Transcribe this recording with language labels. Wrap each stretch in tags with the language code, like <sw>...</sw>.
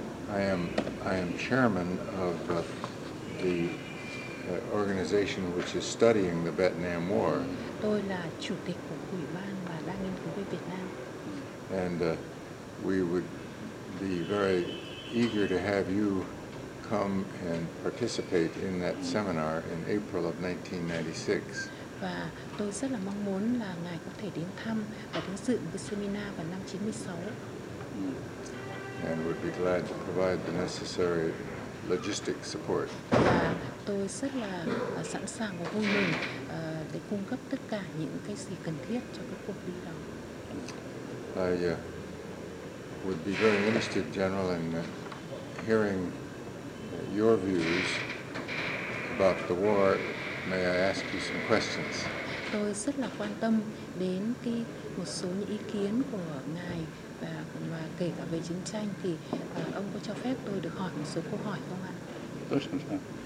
<en>I am chairman of the organization which is studying the Vietnam War.</en> <vi>Tôi là chủ tịch của ủy ban và đang nghiên cứu về Việt Nam.</vi> <en>And we would be very eager to have you come and participate in that seminar in April of 1996.</en> <vi>Và tôi rất là mong muốn là ngài có thể đến thăm và đến dự một cái seminar vào năm 96.</vi> <en>And would be glad to provide the necessary logistic support.</en> <vi>Tôi rất là sẵn sàng và vui mừng để cung cấp tất cả những cái gì cần thiết cho cái cuộc đi đó.</vi> <en>I would be very interested, General, in hearing your views about the war, may I ask you some questions?</en> <vi>Tôi rất là quan tâm đến cái một số những ý kiến của ngài và kể cả về chiến tranh thì ông có cho phép tôi được hỏi một số câu hỏi không ạ?</vi>